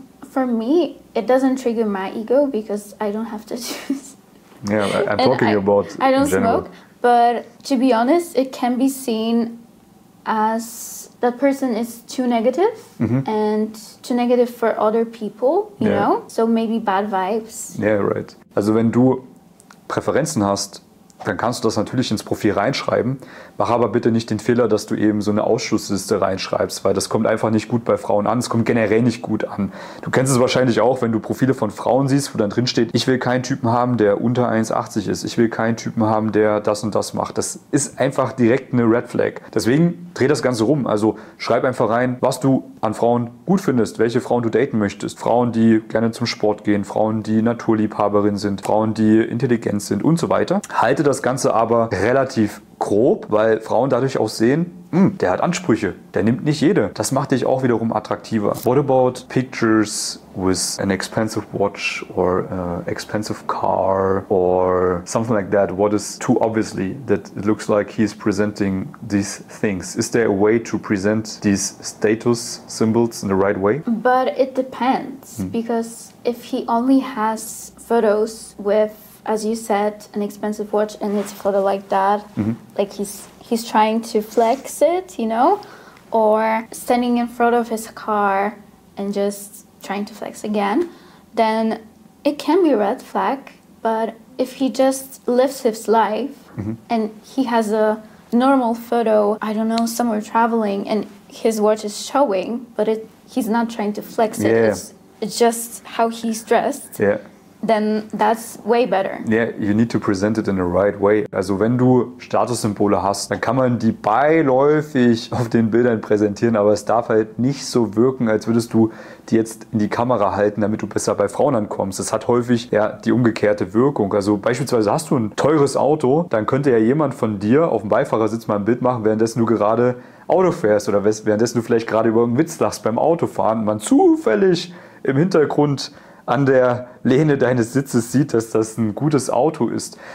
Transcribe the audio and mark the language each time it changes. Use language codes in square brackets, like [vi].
[en] For me, it doesn't trigger my ego because I don't have tattoos. Yeah, I'm talking about I don't smoke, but to be honest, it can be seen as that person is too negative and too negative for other people, you know? So maybe bad vibes. Yeah, right. [de] Also wenn du Präferenzen hast, dann kannst du das natürlich ins Profil reinschreiben. Mach aber bitte nicht den Fehler, dass du eben so eine Ausschlussliste reinschreibst, weil das kommt einfach nicht gut bei Frauen an. Es kommt generell nicht gut an. Du kennst es wahrscheinlich auch, wenn du Profile von Frauen siehst, wo dann drin steht, ich will keinen Typen haben, der unter 1,80 ist. Ich will keinen Typen haben, der das und das macht. Das ist einfach direkt eine Red Flag. Deswegen dreh das Ganze rum. Also schreib einfach rein, was du an Frauen gut findest, welche Frauen du daten möchtest. Frauen, die gerne zum Sport gehen, Frauen, die Naturliebhaberin sind, Frauen, die intelligent sind und so weiter. Halte das Ganze aber relativ grob, weil Frauen dadurch auch sehen, der hat Ansprüche, der nimmt nicht jede. Das macht dich auch wiederum attraktiver. [en] What about pictures with an expensive watch or expensive car or something like that? What is too obviously that it looks like he's presenting these things? Is there a way to present these status symbols in the right way? But it depends, because if he only has photos with, as you said, an expensive watch and it's a photo like that, like he's trying to flex it, you know, or standing in front of his car and just trying to flex again, then it can be a red flag. But if he just lives his life and he has a normal photo, I don't know, somewhere traveling and his watch is showing, but he's not trying to flex it, it's just how he's dressed. Yeah. Then that's way better. Yeah, you need to present it in the right way. [de] Also wenn du Statussymbole hast, dann kann man die beiläufig auf den Bildern präsentieren, aber es darf halt nicht so wirken, als würdest du die jetzt in die Kamera halten, damit du besser bei Frauen ankommst. Das hat häufig ja die umgekehrte Wirkung. Also beispielsweise hast du ein teures Auto, dann könnte ja jemand von dir auf dem Beifahrersitz mal ein Bild machen, währenddessen du gerade Auto fährst oder währenddessen du vielleicht gerade über einen Witz lachst beim Autofahren und man zufällig im Hintergrund an der Lehne deines Sitzes sieht, dass das ein gutes Auto ist.